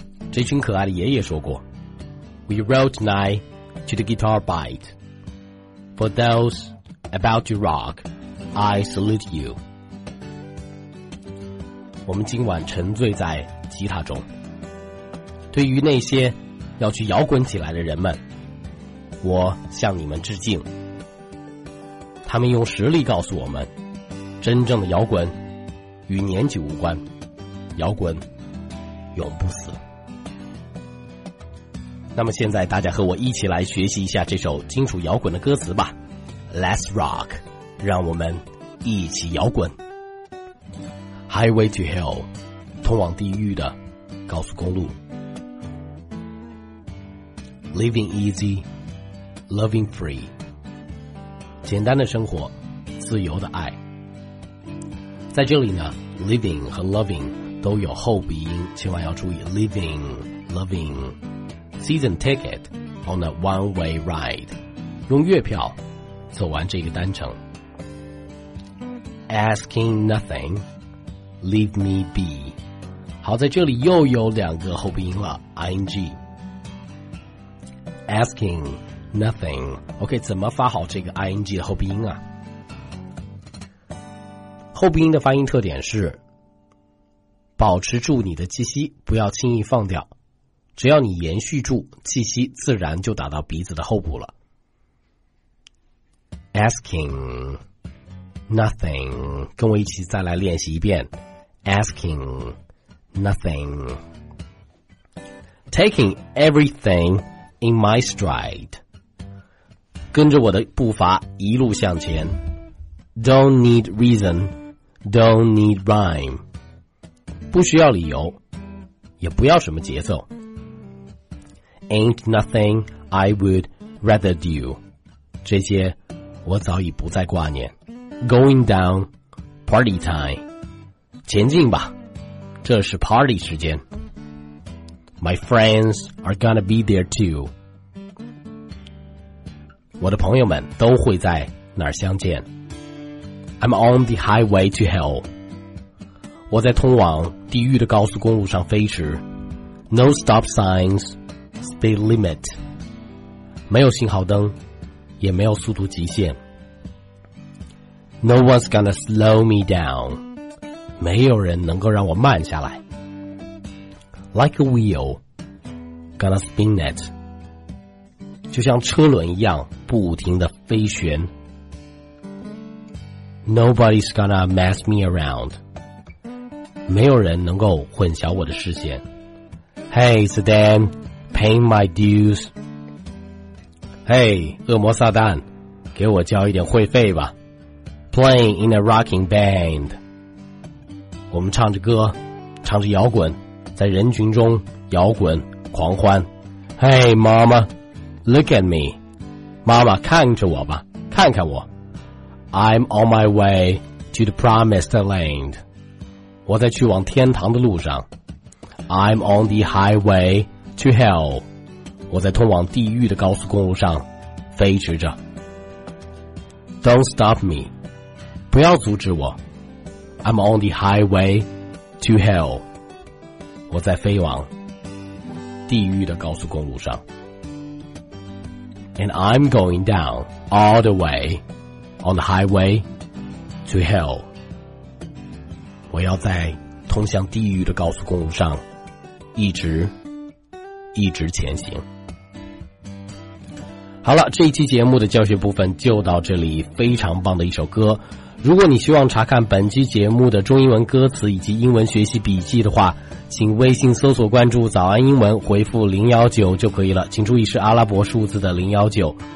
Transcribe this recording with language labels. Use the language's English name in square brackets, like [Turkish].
[Chinese] 这群可爱的爷爷说过， [English] We wrote tonight to the guitar bite. For those about to rock, I salute you. [Chinese] 我们今晚沉醉在吉他中，对于那些要去摇滚起来的人们，我向你们致敬。他们用实力告诉我们，真正的摇滚与年纪无关，摇滚永不死。那么现在大家和我一起来学习一下这首金属摇滚的歌词吧。 [English] Let's rock， [Chinese] 让我们一起摇滚。 [English] Highway to Hell， [Chinese] 通往地狱的高速公路。 [English] Living easy, loving free， [Chinese] 简单的生活，自由的爱。在这里呢， living 和 loving 都有后鼻音，千万要注意 [English] living, loving。 Season ticket on a one way ride， [Chinese] 用月票走完这个单程。 [English] Asking nothingLeave me be， [Chinese] 好，在这里又有两个后鼻音了 ，ing。 [English] Asking nothing，OK，、okay, [Chinese] 怎么发好这个 ing 的后鼻音啊？后鼻音的发音特点是保持住你的气息，不要轻易放掉。只要你延续住气息，自然就打到鼻子的后部了。 [English] Asking nothing， [Chinese] 跟我一起再来练习一遍。 [English] Asking nothing, taking everything in my stride, [Chinese] 跟着我的步伐一路向前。 [English] Don't need reason, don't need rhyme, [Chinese] 不需要理由，也不要什么节奏。 [English] Ain't nothing I would rather do, [Chinese] 这些我早已不再挂念。 [English] going down, party time. [Chinese] 前进吧，这是 party 时间。 [English] My friends are gonna be there too. [Chinese] 我的朋友们都会在那儿相见。 [English] I'm on the highway to hell. [Chinese] 我在通往地狱的高速公路上飞驰。 [English] No stop signs, speed limit. [Chinese] 没有信号灯，也没有速度极限。 [English] No one's gonna slow me down. [Chinese] 没有人能够让我慢下来。 [English] Like a wheel, gonna spin it. [Chinese] 就像车轮一样不停地飞旋。 [English] Nobody's gonna mess me around. [Chinese] 没有人能够混淆我的视线。 [English] Hey, Saddam, paying my dues. [Chinese] Hey, 恶魔撒旦，给我交一点会费吧。 [English] Playing in a rocking band. [Chinese] 我们唱着歌，唱着摇滚，在人群中摇滚狂欢。 [English] Hey, Mama, look at me. [Chinese] 妈妈看着我吧，看看我。 [English] I'm on my way to the promised land. [Chinese] 我在去往天堂的路上。 [English] I'm on the highway to hell. [Chinese] 我在通往地狱的高速公路上飞驰着。 [English] Don't stop me. [Chinese] 不要阻止我。 [English] I'm on the highway to hell. [Chinese] 我在飞往地狱的高速公路上。 [English] And I'm going down all the way. On the highway to hell. [Chinese] 我要在通向地狱的高速公路上一直一直前行。好了，这一期节目的教学部分就到这里，非常棒的一首歌。如果你希望查看本期节目的中英文歌词以及英文学习笔记的话，请微信搜索关注早安英文，回复019就可以了，请注意是阿拉伯数字的019。